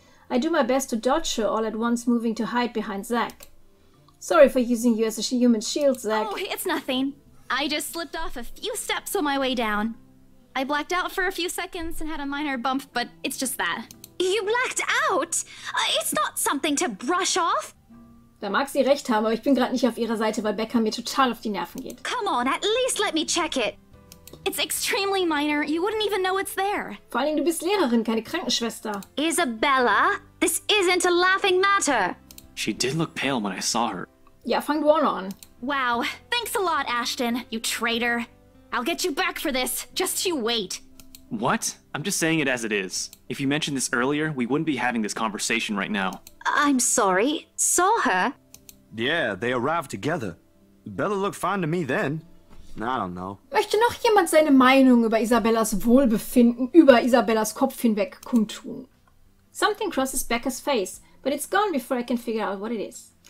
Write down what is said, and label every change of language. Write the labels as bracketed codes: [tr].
[en] I do my best to dodge her all at once, moving to hide behind Zack. Sorry for using you as a human shield, Zack. Oh, it's nothing. I just slipped off a few steps on my way down. I blacked out for a few seconds and had a minor bump, but it's just that. You blacked out? It's not something to brush off. [de] Da mag sie recht haben, aber ich bin gerade nicht auf ihrer Seite, weil Becca mir total auf die Nerven geht. [en] Come on, at least let me check it. It's extremely minor. You wouldn't even know it's there. [de] Vor allem, du bist Lehrerin, keine Krankenschwester. [en] Isabella, this isn't a laughing matter. She did look pale when I saw her. [de] Ja, fang du auch an. [en] Wow, thanks a lot, Ashton, you traitor. I'll get you back for this. Just you wait. What? I'm just saying it as it is. If you mentioned this earlier, we wouldn't be having this conversation right now. I'm sorry. Saw her? Yeah, they arrived together. Bella looked fine to me then. I don't know. [de] Möchte noch jemand seine Meinung über Isabellas Wohlbefinden über Isabellas Kopf hinweg kundtun? [en] Something crosses Becca's face, but it's gone before I can figure out what it is.